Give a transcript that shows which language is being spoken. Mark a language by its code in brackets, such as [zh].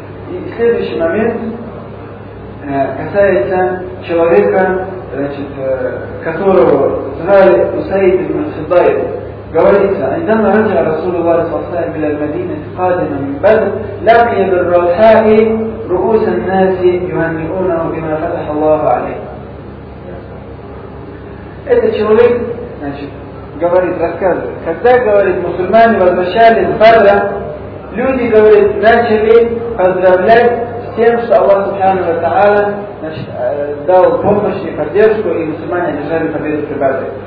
[ru] И следующий момент касается человека, значит, которого звали Усаид ибн Хузайр. Говорится, [ar] عندما رجع رسول الله صلى الله عليه وسلم إلى المدينة قادما من بدر لقي بالرحاء رؤوس الناس يهنئونه بما فتح الله عليه. [ru] Этот человек, значит, говорит, рассказывает, когда, говорит, мусульмане возвращались в Бадра, люди, говорит, начали поздравлять с тем, что Аллах Субхану ва Тааля, значит, дал помощь и поддержку, и мусульмане одержали победу при Бадре.